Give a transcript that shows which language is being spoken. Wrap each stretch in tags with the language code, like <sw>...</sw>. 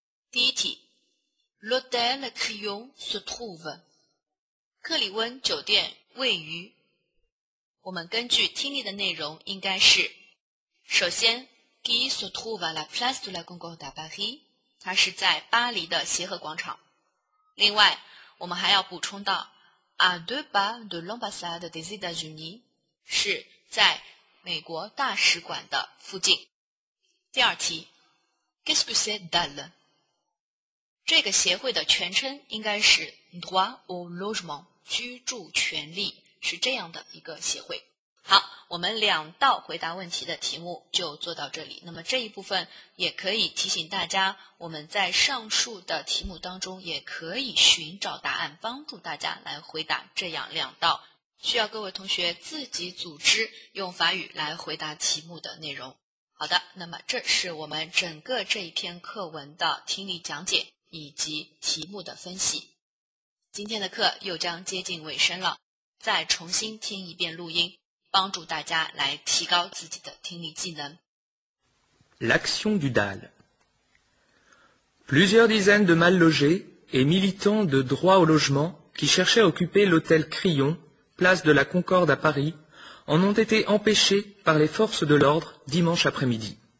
<zh>第一题</zh> <fr>L'hôtel Crillon se trouve</fr> <zh>克里温酒店位于我们根据听力的内容应该是首先</zh> <fr>qui se trouve à la place de la Concorde à Paris</fr> <zh>它是在巴黎的协和广场另外我们还要补充到</zh> <fr>à deux pas de l'ambassade des États-Unis</fr> <zh>是在美国大使馆的附近。</zh> <fr>第二题 Qu'est-ce que c'est DAL?</fr> <zh>这个协会的全称应该是</zh> <fr>droit au logement</fr> <zh>居住权利是这样的一个协会。好我们两道回答问题的题目就做到这里那么这一部分也可以提醒大家我们在上述的题目当中也可以寻找答案帮助大家来回答这样两道需要各位同学自己组织用法语来回答题目的内容好的那么这是我们整个这一篇课文的听力讲解以及题目的分析今天的课又将接近尾声了再重新听一遍录音帮助大家来提高自己的听力技能。</zh> <fr>L'action du DAL Plusieurs dizaines de mal logés et militants de droit au logement qui cherchaient à occuper l'hôtel Crillon, place de la Concorde à Paris, en ont été empêchés par les forces de l'ordre dimanche après-midi.</fr>